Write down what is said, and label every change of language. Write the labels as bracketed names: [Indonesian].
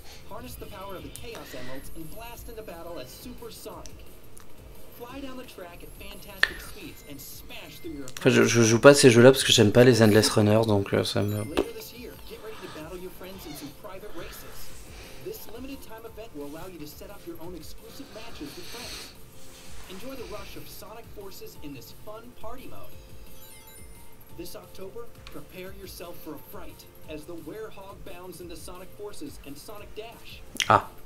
[English] Harness the power of the Chaos Emeralds and blast into battle as Super Sonic. Fly down the track at fantastic speeds and smash through your... [French] Enfin, je joue pas à ces jeux-là parce que j'aime pas les Endless Runners, donc ça me... [English] Later this year, get ready to battle your friends in some private races. This limited time event will allow you to set up your own exclusive matches with friends. Enjoy the rush of Sonic Forces in this fun party mode. This October, prepare yourself for a fright as the Werehog bounds into Sonic Forces and Sonic Dash. Ah.